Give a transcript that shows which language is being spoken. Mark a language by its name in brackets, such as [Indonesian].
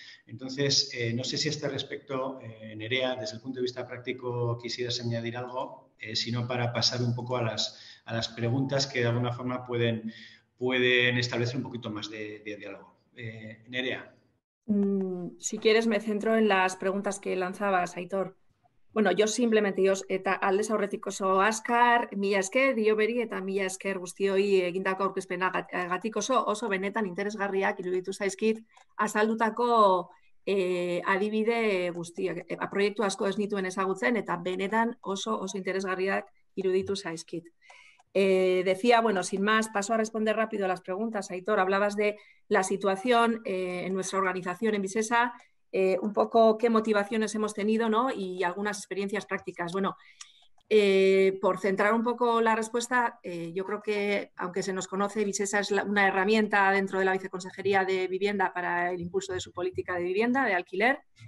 [Spanish] Entonces, no sé si a este respecto, Nerea, desde el punto de vista práctico, quisieras añadir algo, sino para pasar un poco a las preguntas que de alguna forma pueden establecer un poquito más de diálogo. Nerea. Si quieres, me centro en las preguntas que lanzabas, Aitor. Bueno, yo simplemente, [Basque] eta aldez aurretiko oso azkar, mila esker, dio beri, eta mila esker guztioi egindako aurkezpena gatik oso benetan interesgarriak iruditu zaizkit azaldutako adibide guztiak, proiektu asko ez nituen ezagutzen, eta benetan oso interesgarriak iruditu zaizkit. [Spanish] Decía, bueno, sin más, paso a responder rápido a las preguntas. Aitor, hablabas de la situación en nuestra organización en Visesa, un poco qué motivaciones hemos tenido, ¿no? Y algunas experiencias prácticas. Bueno, por centrar un poco la respuesta, yo creo que, aunque se nos conoce, Visesa es una herramienta dentro de la Viceconsejería de Vivienda para el impulso de su política de vivienda, de alquiler.